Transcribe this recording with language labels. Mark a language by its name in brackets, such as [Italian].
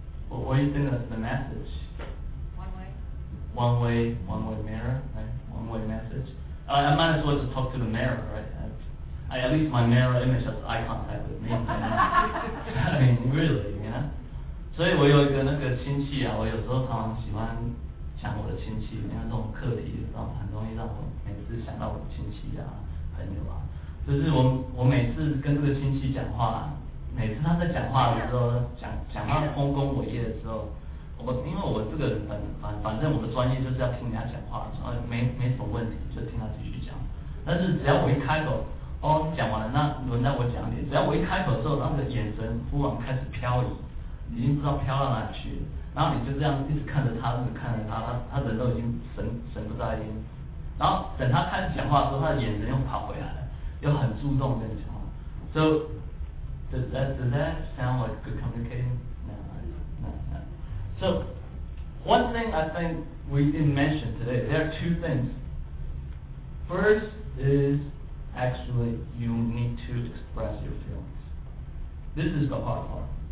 [English] Well, what do you think of the message? One way mirror, right? One-way message. I might as well just talk to the mirror, right? at least my mirror image has eye contact with me. I mean, really, you know? [Chinese] 所以我有一个那个亲戚啊，我有时候常常喜欢想我的亲戚，因为这种课题这种很容易让我每次想到我的亲戚啊、朋友啊。就是我每次跟这个亲戚讲话，每次他在讲话的时候，讲他丰功伟业的时候，因为我这个人反正我的专业就是要听人家讲话，没什么问题，就听他继续讲。但是只要我一开口，哦，讲完了，那轮到我讲你。只要我一开口之后，那个眼神忽然开始飘移，已经不知道飘到哪里去了。然后你就这样一直看着他，一直看着他，他人都已经神不在焉。然后等他开始讲话的时候，他的眼神又跑回来了，又很注重跟你讲话。 [English] So does that sound like good communication? No. So one thing I think we didn't mention today, there are two things. First is actually you need to express your feelings. This is the hard part.